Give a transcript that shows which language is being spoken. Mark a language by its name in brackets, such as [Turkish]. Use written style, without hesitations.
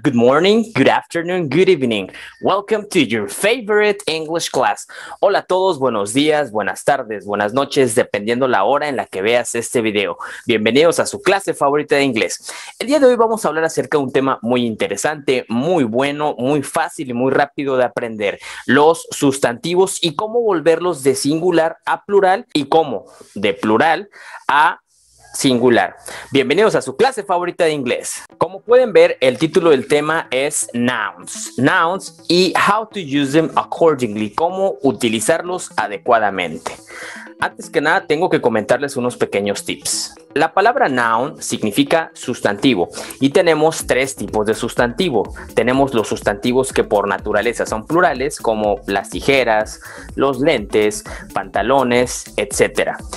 [English] Good morning, good afternoon, good evening. Welcome to your favorite English class. [Spanish] Hola a todos, buenos días, buenas tardes, buenas noches, dependiendo la hora en la que veas este video. Bienvenidos a su clase favorita de inglés. El día de hoy vamos a hablar acerca de un tema muy interesante, muy bueno, muy fácil y muy rápido de aprender. Los sustantivos y cómo volverlos de singular a plural y cómo de plural a singular. Bienvenidos a su clase favorita de inglés. Como pueden ver, el título del tema es Nouns. [English] Nouns [Spanish] y [English] how to use them accordingly. [Spanish] Cómo utilizarlos adecuadamente. Antes que nada, tengo que comentarles unos pequeños tips. La palabra noun significa sustantivo y tenemos tres tipos de sustantivo. Tenemos los sustantivos que por naturaleza son plurales, como las tijeras, los lentes, pantalones, etc.